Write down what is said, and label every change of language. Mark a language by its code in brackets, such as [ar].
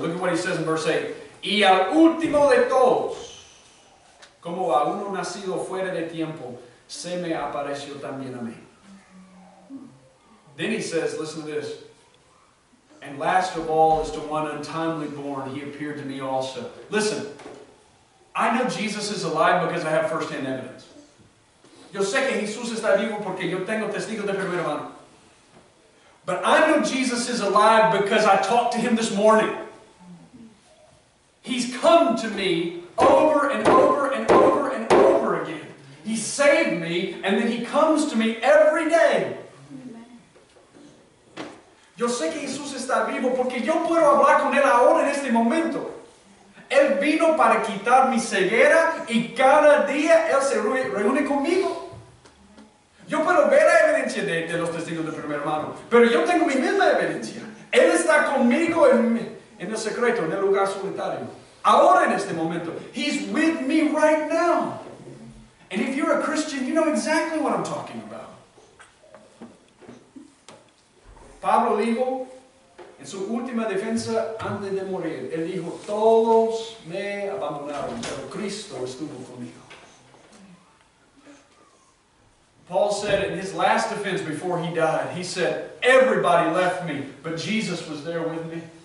[en] Look at what he says in verse 8. [es] Y al último de todos, como a uno nacido fuera de tiempo, se me apareció también a mí. [en] Then he says, listen to this. And last of all, as to one untimely born, he appeared to me also. Listen, I know Jesus is alive because I have firsthand evidence. Yo sé que Jesús está vivo porque yo tengo testigos de primera mano. But I know Jesus is alive because I talked to him this morning. He's come to me over and over and over and over again. He saved me, and then he comes to me every day. [es] Yo sé que Jesús está vivo porque yo puedo hablar con Él ahora en este momento. Él vino para quitar mi ceguera y cada día Él se reúne conmigo. Yo puedo ver la evidencia de los testigos de primer mano, pero yo tengo mi misma evidencia. Él está conmigo en el secreto, en el lugar solitario. Ahora en este momento. [en] He's with me right now. And if you're a Christian, you know exactly what I'm talking about. [es] Pablo dijo, en su última defensa, antes de morir, él dijo, todos me abandonaron, pero Cristo estuvo conmigo. [en] Paul said in his last defense before he died, he said, everybody left me, but Jesus was there with me.